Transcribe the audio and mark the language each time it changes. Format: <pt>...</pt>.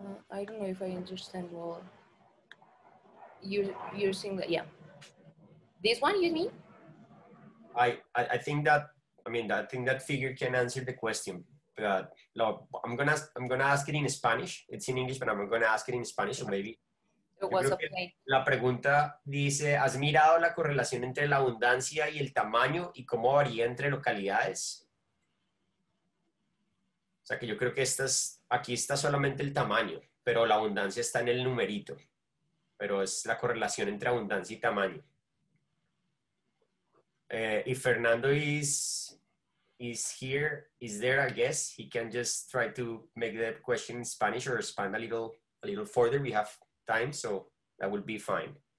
<en>I don't know if I understand well. You're saying that, yeah. This one, you mean? I think that figure can answer the question. But I'm gonna ask it in Spanish. It's in English, but I'm gonna ask it in Spanish, so maybe.</en> <es>La pregunta dice, ¿has mirado la correlación entre la abundancia y el tamaño y cómo varía entre localidades? O sea, que yo creo que aquí está solamente el tamaño, pero la abundancia está en el numerito. Pero es la correlación entre abundancia y tamaño.</es> <en>Y Fernando is here, is there, I guess. He can just try to make the question in Spanish or expand a little further. We have time, so that would be fine.</en>